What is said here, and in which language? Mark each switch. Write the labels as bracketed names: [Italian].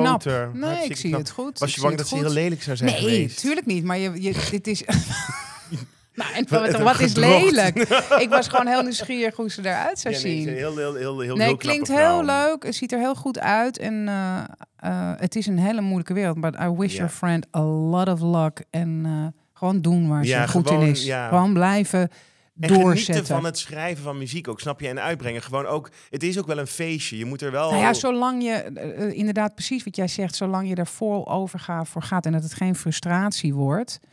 [Dutch] Knap. Nee, ik zie het goed. Was je bang dat ze heel lelijk zou zijn geweest? Nee, tuurlijk niet, maar dit is... wat is lelijk? Ik was gewoon heel nieuwsgierig hoe ze eruit zou zien. Heel klinkt heel leuk, het ziet er heel goed uit. En het is een hele moeilijke wereld. [English] But I wish your friend a lot of luck. [Dutch] En gewoon doen waar ze goed in is. Gewoon blijven... En doorzetten. Genieten van het schrijven van muziek ook, snap je, en uitbrengen. Gewoon ook, het is ook wel een feestje. Je moet er wel... Nou ja, zolang je, inderdaad precies wat jij zegt, zolang je er vol overgaat voor gaat en dat het geen frustratie wordt...